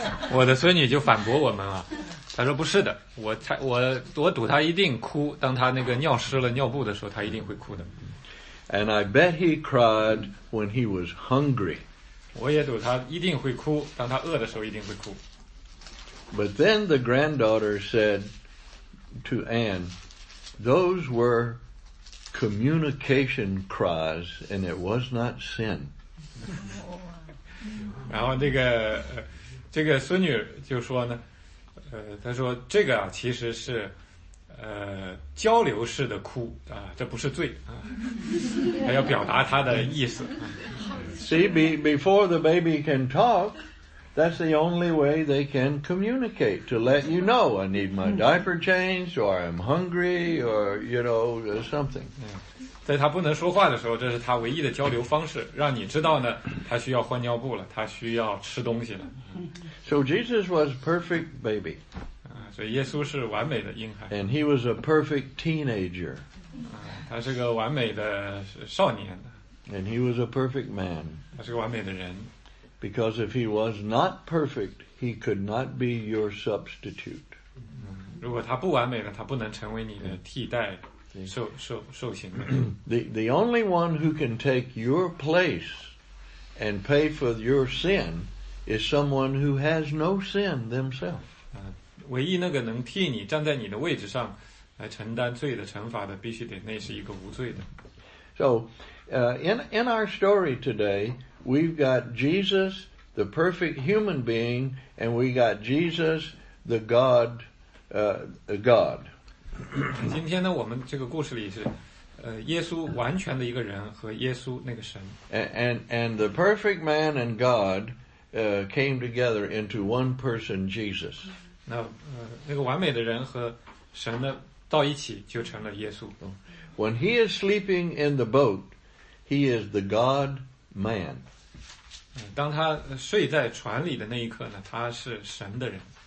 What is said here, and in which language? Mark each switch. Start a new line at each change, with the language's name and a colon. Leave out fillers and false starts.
Chinese: 我的孙女就反驳我们了。他说不是的，我赌他一定哭，当他那个尿湿了尿布的时候，他一定会哭的。
English: And I bet he cried when he was hungry.
Chinese: 我也赌他一定会哭，当他饿的时候一定会哭。
English: But then the granddaughter said to Anne, those were communication cries and it was not sin.
Chinese: 然后这个孙女就说呢，他说这个其实是交流式的哭啊，这不是罪啊，他要表达他的意思。
English: See, before the baby can talk, that's the only way they can communicate, to let you know I need my diaper changed or I'm hungry or you know or something.
Chinese: 在他不能说话的时候，这是他唯一的交流方式，让你知道呢他需要换尿布了，他需要吃东西了。
English: So Jesus was a perfect baby.
Chinese: 所以耶稣是完美的婴孩。
English: And he was a perfect teenager.
Chinese: 他是个完美的少年。
English: And he was a perfect man.
Chinese: 他是个完美的人。
English: Because if he was not perfect, he could not be your substitute.
Chinese: 如果他不完美了，他不能成为你的替代受刑的。
English: The only one who can take your place and pay for your sin is someone who has no sin themselves.
Chinese: 唯一那个能替你站在你的位置上来承担罪的惩罚的，必须得那是一个无罪的。
English: So, in our story today, we've got Jesus, the perfect human being, and we got Jesus, the God, God.
Chinese: 今天呢，我们这个故事里是，耶稣完全的一个人和耶稣那个神。
English: And the perfect man and God, came together into one person, Jesus.
Chinese: 那个完美的人和神呢，到一起就成了耶稣。
English: When he is sleeping in the boat, he is the God man.
Chinese: 当他睡在船里的那一刻呢，他是神的人。